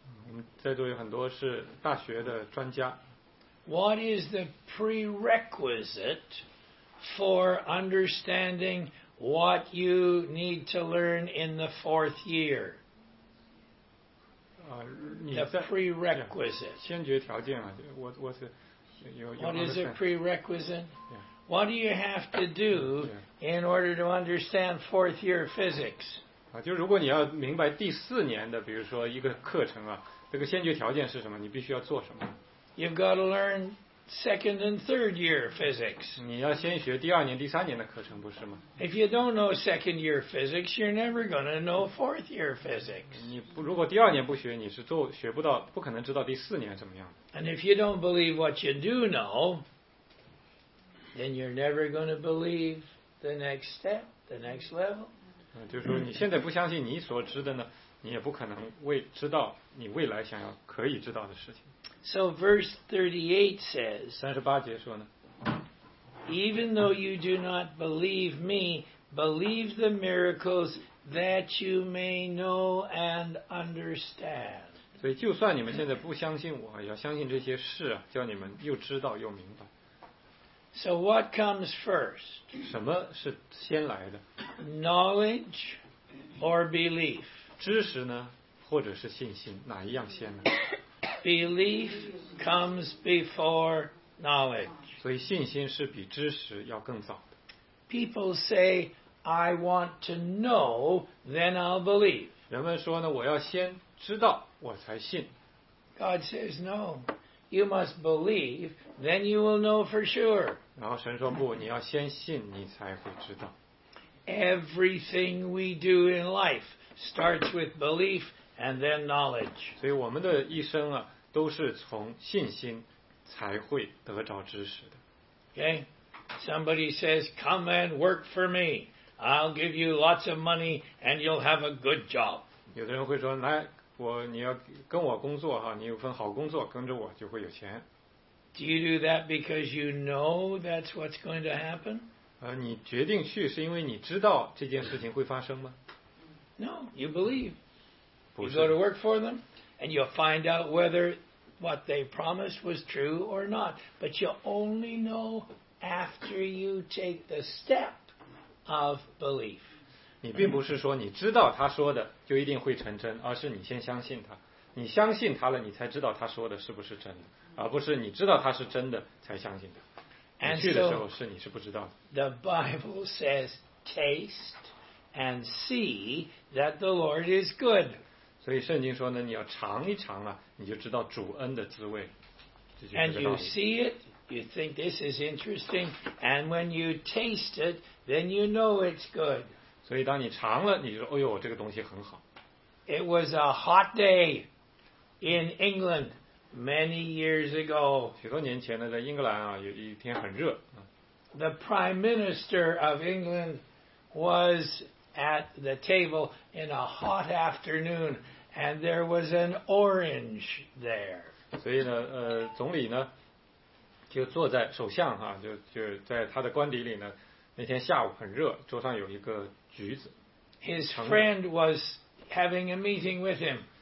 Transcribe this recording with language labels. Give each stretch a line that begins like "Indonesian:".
Chinese: 我们在座有很多是大学的专家。
English: What is the prerequisite for understanding what you need to learn in the fourth year? The prerequisite.
Chinese: 先决条件啊，
English: what's the, what is a prerequisite? Yeah. What do you have to do in order to understand fourth year physics?
Chinese: 就如果你要明白第四年的，比如说一个课程啊，这个先决条件是什么？你必须要做什么？
English: You've got to learn second and third year physics.
Chinese: 你要先学第二年第三年的课程不是吗？
English: If you don't know second year physics, you're never going to know fourth year physics.
Chinese: 你不，如果第二年不学，你是做，学不到，不可能知道第四年怎么样。
English: And if you don't believe what you do know, then you're never going to believe the next step, the next level.
Chinese: 就是说你现在不相信你所知的呢，你也不可能为知道你未来想要可以知道的事情。
English: So verse 38 says,
Chinese: 38节说呢,
English: even though you do not believe me, believe the miracles that you may know and understand.
Chinese: 所以就算你们现在不相信我，要相信这些事啊，叫你们又知道又明白。
English: So what comes first?
Chinese: 什么是先来的?
English: Knowledge or belief?
Chinese: 知识呢，或者是信心，哪一样先呢？
English: Belief comes before knowledge.
Chinese: 所以信心是比知识要更早的。
English: People say, "I want to know, then I'll believe."
Chinese: 人们说呢，我要先知道，我才信。
English: God says, "No, you must believe, then you will know for sure.
Chinese: 然后神说不，你要先信，你才会知道。
English: Everything we do in life starts with belief and then knowledge.
Chinese: 所以我们的一生啊，都是从信心才会得着知识的。
English: Okay, somebody says, "Come and work for me. I'll give you lots of money and you'll have a good job."
Chinese: 有的人会说，来，我你要跟我工作哈，你有份好工作，跟着我就会有钱。
English: Do you do that because you know that's what's going to happen?
Chinese: 你决定去是因为你知道这件事情会发生吗？
English: No, you believe. You go to work for them, and you'll find out whether what they promised was true or not. But you only know after you take the step of belief.
Chinese: 你并不是说你知道他说的就一定会成真，而是你先相信他。你相信他了，你才知道他说的是不是真的，而不是你知道他是真的才相信他。你去的时候是你是不知道的。
English: The Bible says, "Taste and see that the Lord is good."
Chinese: 所以圣经说呢，你要尝一尝啊，你就知道主恩的滋味。
English: And you see it, you think this is interesting, and when you taste it, then you know it's good.
Chinese: 所以当你尝了，你就说，哎呦，这个东西很好。
English: It was a hot day in England. Many years ago,
Chinese: 许多年前呢，在英格兰啊，有一天很热。
English: The Prime Minister of England was at the table in a hot afternoon, and there was an orange there.
Chinese: 所以呢，总理呢，就坐在首相哈、啊，就在他的官邸里呢。那天下午很热，桌上有一个橘子。
English: His friend was having a meeting with him.